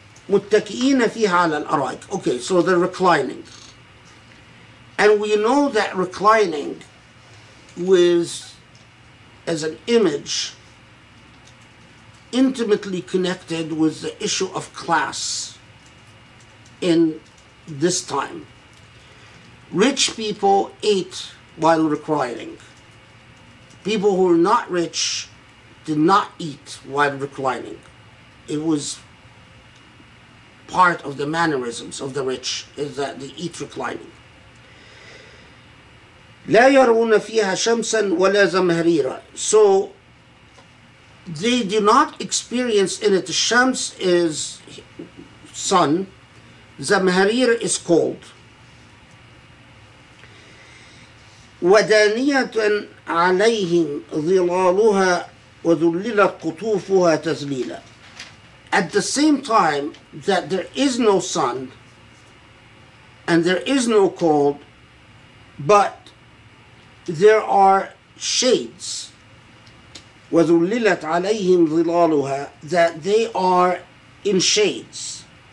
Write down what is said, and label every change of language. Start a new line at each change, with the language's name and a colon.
Arabic: متكئين فيها على الأرائك.
English: Okay, so they're reclining. And we know that reclining was, as an image, intimately connected with the issue of class in this time. Rich people ate while reclining. People who were not rich did not eat while reclining. It was part of the mannerisms of the rich, is that they eat reclining.
Arabic: لا يرون فيها شمسا ولا زمهريرا.
English: So they do not experience in it. Shams is sun. Zamharir is cold.
Arabic: ودانية عليهم ظلالها وذللت قطوفها تذليلا.
English: At the same time that there is no sun and there is no cold, but there are shades,
Arabic: وَذُلِّلَتْ عَلَيْهِمْ ظِلَالُهَا,
English: that they are in shades.